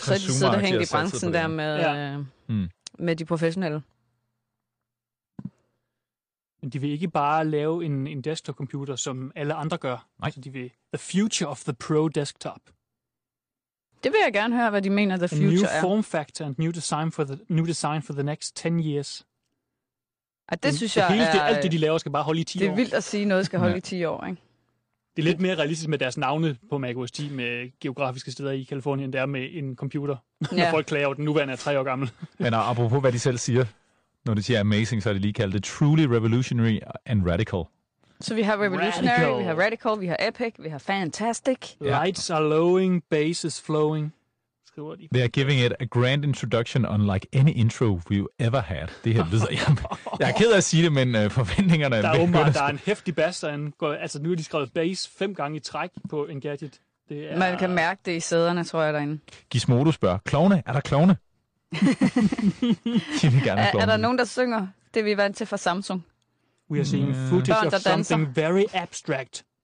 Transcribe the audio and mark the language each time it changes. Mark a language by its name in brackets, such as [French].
[Danish] så de sidder hængt i branchen der med, med de professionelle. Men de vil ikke bare lave en desktop-computer, som alle andre gør. Nej. Så de vil [English] the future of the pro desktop. [Danish] Det vil jeg gerne høre, hvad de mener, the future er. [English] A new form factor and new design for the next 10 years. [Danish] Og det synes jeg er... Alt det, de laver, skal bare holde i 10 år. Det er vildt at sige, noget skal holde i 10 år, ikke? Det er lidt mere realistisk med deres navne på Mac OS X med geografiske steder i Californien, der med en computer. Ja. Når folk klager over, den nuværende er 3 år gammel. Men apropos, hvad de selv siger, når de siger amazing, så er det lige kaldt det [English] truly revolutionary and radical. [Danish] Så vi har revolutionary, radical. Vi har radical, vi har epic, vi har fantastic. [English] Lights are lowing, bass is flowing. They are giving it a grand introduction unlike any intro we've ever had. [Danish] Det her lyder, jeg er ked af at sige det, men forventningerne er... Der er en heftig bass, der går, altså nu har de skrevet bass 5 gange i træk på Engadget. Det er... Man kan mærke det i sæderne, tror jeg, derinde. Gizmodo spørger, klovne, er der klovne? De vil gerne er der nogen, der synger? Det er vi vant til fra Samsung. [English] We are seeing footage of something very abstract.